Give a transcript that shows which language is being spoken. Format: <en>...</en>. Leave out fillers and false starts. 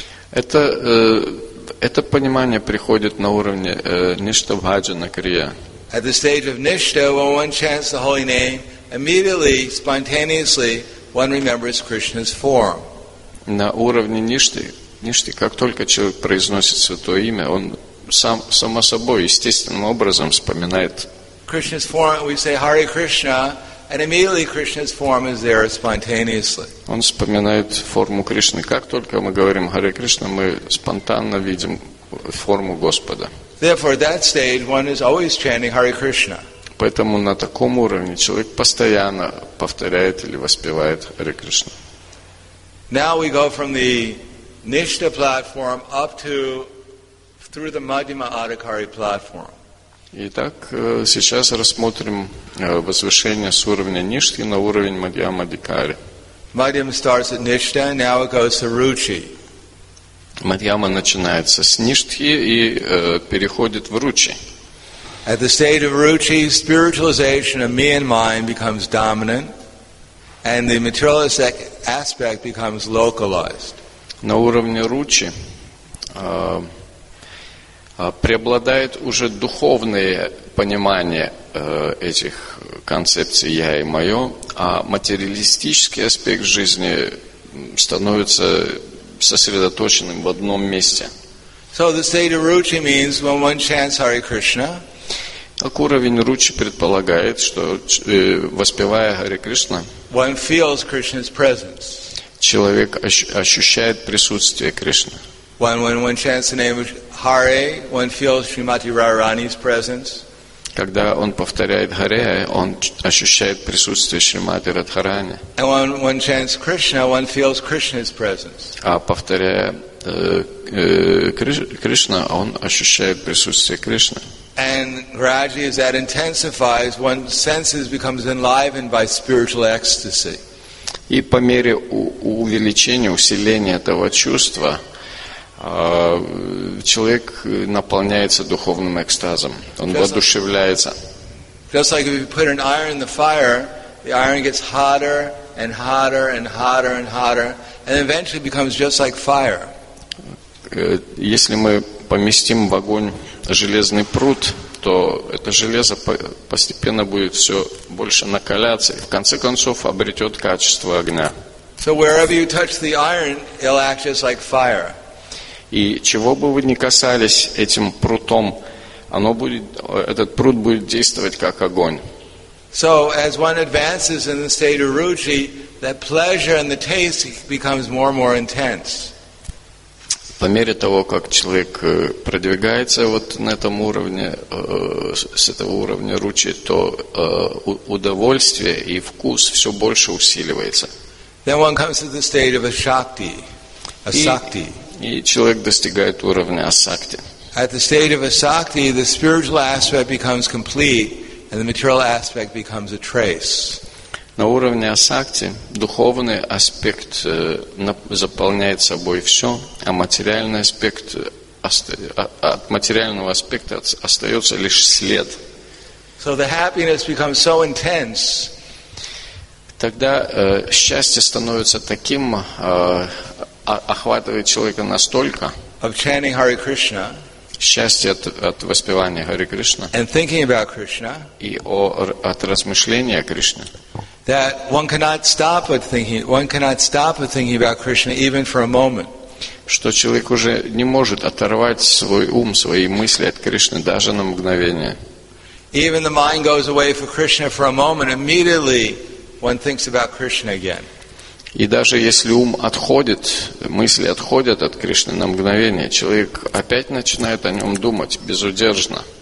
<ru>Это понимание приходит на уровне ништа бхаджана крия.</ru> <en>At the stage of nishta, when one chants the holy name, immediately, spontaneously, one remembers Krishna's form.</en> <ru>На уровне ништи, как только человек произносит святое имя, он сам само собой естественным образом вспоминает.</ru> <en>Krishna's form, we say Hare Krishna, and immediately Krishna's form is there spontaneously.</en> <ru>Он вспоминает форму Кришны. Как только мы говорим Hare Krishna, мы спонтанно видим форму Господа.</ru> <en>Therefore, at that stage, one is always chanting Hare Krishna.</en> <ru>Поэтому на таком уровне человек постоянно повторяет или воспевает Hare Krishna.</ru> <en>Now we go from the Nishta platform up to through the Madhyama Adhikari platform.</en> <ru>Итак, сейчас рассмотрим возвышение с уровня Ништи на уровень Мадхьяма Адхикари.</ru> <en>Madhyama starts at Nishta, now it goes to Ruchi.</en> <ru>Мадхьяма начинается с Ништи и переходит в Ручи.</ru> <en>At the stage of Ruchi, spiritualization of me and mine becomes dominant. And the materialistic aspect becomes localized.</en> <ru>На уровне ручи преобладает уже духовное понимание этих концепций «я» и «моё», а материалистический аспект жизни становится сосредоточенным в одном месте.</ru> <en>So the state of ruchi means when one chants Hare Krishna.</en> <ru>Так уровень ручи предполагает, что воспевая Hare Krishna,</ru> <en>one feels Krishna's presence.</en> <ru>Человек ощущает присутствие Кришны.</ru> <en>When chants the name of Hare, one feels Srimati Radharani's presence.</en> <ru>Когда он повторяет Hare, он ощущает присутствие Шримати Радхарани.</ru> <en>And when chants Krishna, one feels Krishna's presence.</en> <ru>А повторяя Кришна, он ощущает присутствие Кришны.</ru> <en>And gradually, as that intensifies, one's senses becomes enlivened by spiritual ecstasy.</en> <ru>И по мере увеличения, усиления этого чувства, человек наполняется духовным экстазом. Он воодушевляется.</ru> <en>Just like if you put an iron in the fire, the iron gets hotter and hotter and hotter and hotter, and eventually becomes just like fire.</en> <ru>Если мы поместим в огонь железный пруд, то это железо постепенно будет все больше накаляться и в конце концов обретет качество огня.</ru> <en>So wherever you touch the iron, it'll act just like fire.</en> <ru>И чего бы вы ни касались этим прутом, оно будет, этот пруд будет действовать как огонь.</ru> <en>So as one advances in the state of Ruchi, that pleasure and the taste becomes more and more intense.</en> <ru>По мере того, как человек продвигается вот на этом уровне, с этого уровня ручи, то удовольствие и вкус все больше усиливается.</ru> <en>Then one comes to the state of asakti. Asakti.</en> <ru>И человек достигает уровня асакти.</ru> <en>At the state of asakti, the spiritual aspect becomes complete, and the material aspect becomes a trace.</en> <ru>На уровне асакти духовный аспект заполняет собой все, а материальный аспект от материального аспекта остается лишь след.</ru> <en>So the happiness becomes so intense.</en> <ru>Тогда счастье становится таким, охватывает человека настолько.</ru> <en>Of chanting Hare Krishna.</en> <ru>Счастье от воспевания Hare Krishna.</ru> <en>And thinking about Krishna.</en> <ru>И от размышления о Кришне.</ru> <en>That one cannot stop at thinking. One cannot stop at thinking about Krishna even for a moment.</en> <ru>Что человек уже не может оторвать свой ум, свои мысли от Кришны даже на мгновение.</ru> <en>Even the mind goes away from Krishna for a moment. Immediately, one thinks about Krishna again.</en> <ru>И даже если ум отходит, мысли отходят от Кришны на мгновение, человек опять начинает о нем думать безудержно.</ru>